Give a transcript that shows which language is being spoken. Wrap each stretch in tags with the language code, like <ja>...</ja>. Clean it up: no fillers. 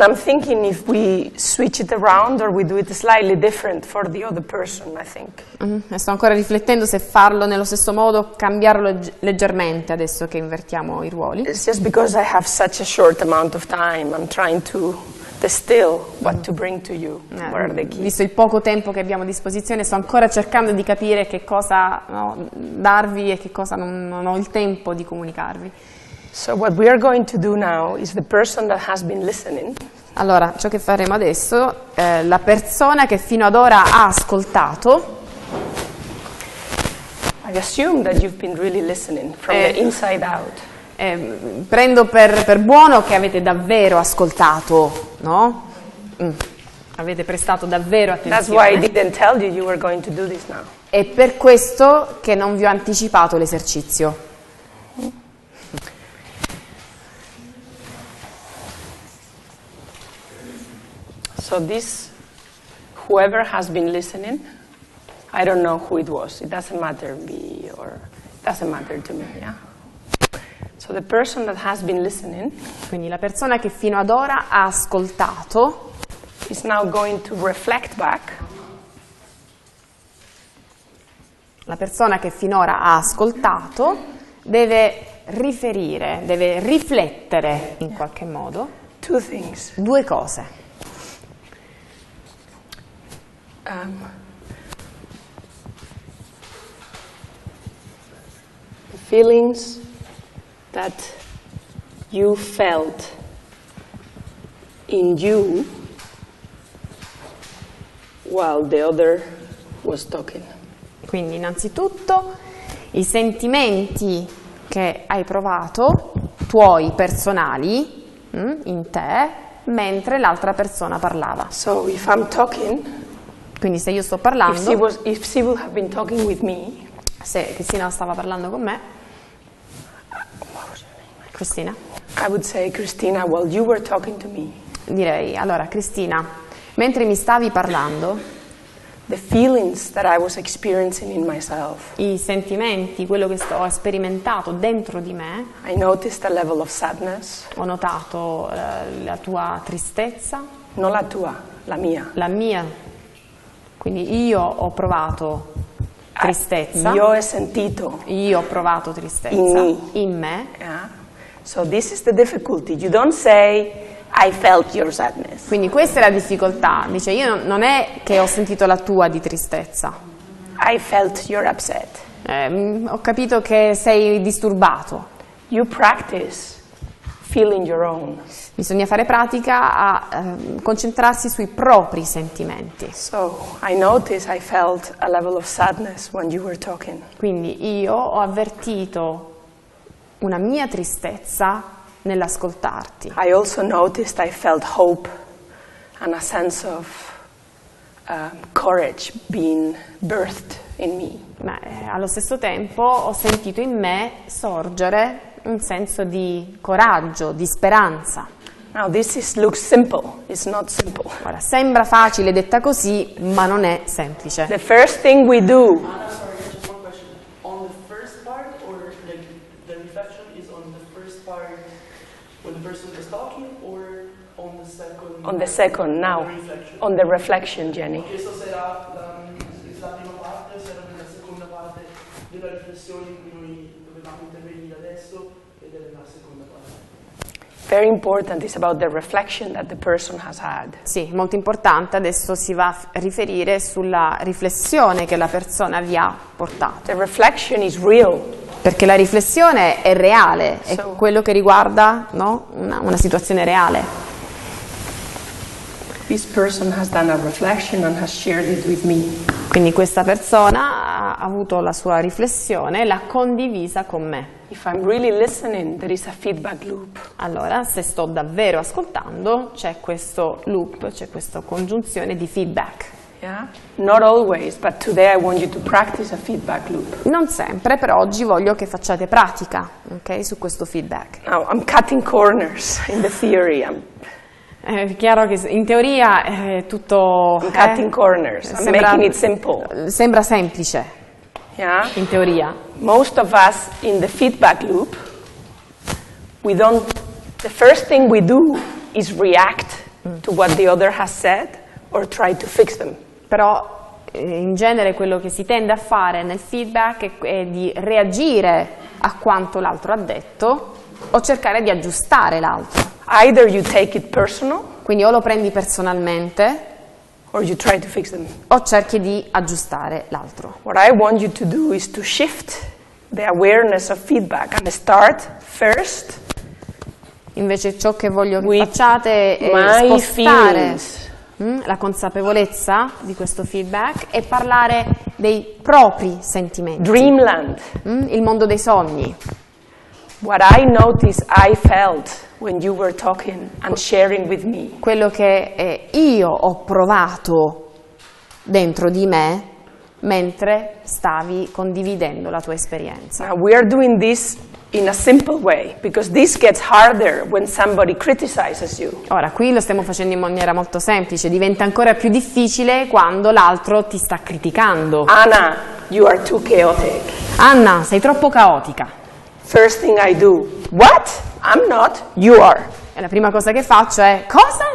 <en>And I'm thinking if we switch it around or we do it slightly different for the other person, I think. Mm-hmm.</en> <it>Sto ancora riflettendo se farlo nello stesso modo o cambiarlo leggermente adesso che invertiamo i ruoli.</it> <en>It's just because I have such a short amount of time, I'm trying to distill what to bring to you. What are the keys?</en> <it>Visto il poco tempo che abbiamo a disposizione, sto ancora cercando di capire che cosa darvi e che cosa non ho il tempo di comunicarvi.</it> <en>So what we are going to do now is the person that has been listening.</en> <it>Allora, ciò che faremo adesso, la persona che fino ad ora ha ascoltato.</it> <en>I assume that you've been really listening from the inside out.</en> <it>Prendo per buono che avete davvero ascoltato, no? Avete prestato davvero attenzione.</it> <en>That's why I didn't tell you were going to do this now.</en> <it>È per questo che non vi ho anticipato l'esercizio.</it> <en>So this whoever has been listening, I don't know who it was. It doesn't matter me or doesn't matter to me, yeah. So the person that has been listening,</en> <it>quindi la persona che fino ad ora ha ascoltato,</it> <en>is now going to reflect back.</en> <it>La persona che finora ha ascoltato deve riferire, deve riflettere in qualche modo.</it> <en>Two things.</en> <it>Due cose.</it> <en>Feelings that you felt in you while the other was talking.</en> <it>Quindi innanzitutto i sentimenti che hai provato, tuoi personali, in te, mentre l'altra persona parlava.</it> <en>So if I'm talking,</en> <it>quindi se io sto parlando,</it> <en>if she would have been talking with me,</en> <it>se Cristina stava parlando con me, Cristina.</it> <en>I would say Cristina while you were talking to me.</en> <it>Direi allora Cristina, mentre mi stavi parlando,</it> <en>the feelings that I was experiencing in myself.</en> <it>I sentimenti, quello che ho sperimentato dentro di me.</it> <en>I noticed a level of sadness.</en> <it>Ho notato la tua tristezza. Non la tua, la mia. La mia. Quindi io ho provato tristezza. Io ho sentito. Io ho provato tristezza in me.</it> <en>Yeah. So this is the difficulty. You don't say I felt your sadness.</en> <it>Quindi questa è la difficoltà. Dice io non è che ho sentito la tua di tristezza.</it> <en>I felt your upset.</en> <it>Ho capito che sei disturbato.</it> <en>You practice feeling your own.</en> <it>Bisogna fare pratica a concentrarsi sui propri sentimenti.</it> <en>So I noticed I felt a level of sadness when you were talking.</en> <it>Quindi io ho avvertito una mia tristezza nell'ascoltarti.</it> <en>I also noticed I felt hope and a sense of courage being birthed in me.</en> <it>Ma allo stesso tempo ho sentito in me sorgere un senso di coraggio, di speranza.</it> <en>Now this is looks simple, it's not simple.</en> <it>Ora sembra facile detta così, ma non è semplice.</it> <en>The first thing we do. On the second, now, on the reflection, Jenny. Very important, it's about the reflection that the person has had.</en> <it>Sì, molto importante, adesso si va a riferire sulla riflessione che la persona vi ha portato.</it> <en>The reflection is real.</en> <it>Perché la riflessione è reale, è quello che riguarda, no, una situazione reale.</it> <en>This person has done a reflection and has shared it with me.</en> <it>Quindi questa persona ha avuto la sua riflessione e l'ha condivisa con me.</it> <en>If I'm really listening, there is a feedback loop.</en> <it>Allora, se sto davvero ascoltando, c'è questo loop, c'è questa congiunzione di feedback.</it> <en>Yeah? Not always, but today I want you to practice a feedback loop.</en> <it>Non sempre, però oggi voglio che facciate pratica, ok, su questo feedback.</it> <en>Now, I'm cutting corners in the theory.</en> <it>È chiaro che in teoria è tutto...</it> <en>I'm cutting corners, I'm making it simple.</en> <it>Sembra semplice,</it> <en>yeah?</en> <it>In teoria.</it> <en>Most of us in the feedback loop, we don't... The first thing we do is react to what the other has said or try to fix them.</en> <it>Però in genere quello che si tende a fare nel feedback è di reagire a quanto l'altro ha detto o cercare di aggiustare l'altro.</it> <en>Either you take it personal,</en> <it>quindi o lo prendi personalmente,</it> <en>or you try to fix them.</en> <it>O cerchi di aggiustare l'altro.</it> <en>What I want you to do is to shift the awareness of feedback and start first.</en> <it>Invece ciò che voglio che facciate è spostare</it> <en>feelings.</en> <it>La consapevolezza di questo feedback e parlare dei propri sentimenti.</it> <en>Dreamland.</en> <it>Il mondo dei sogni.</it> <en>What I noticed I felt when you were talking and sharing with me.</en> <it>Quello che io ho provato dentro di me mentre stavi condividendo la tua esperienza.</it> <en>Now we are doing this in a simple way because this gets harder when somebody criticizes you.</en> <it>Ora qui lo stiamo facendo in maniera molto semplice, diventa ancora più difficile quando l'altro ti sta criticando.</it> <en>Anna, you are too chaotic.</en> <it>Anna, sei troppo caotica.</it> <en>First thing I do, what? I'm not, you are.</en> <it>E la prima cosa che faccio è, cosa?</it>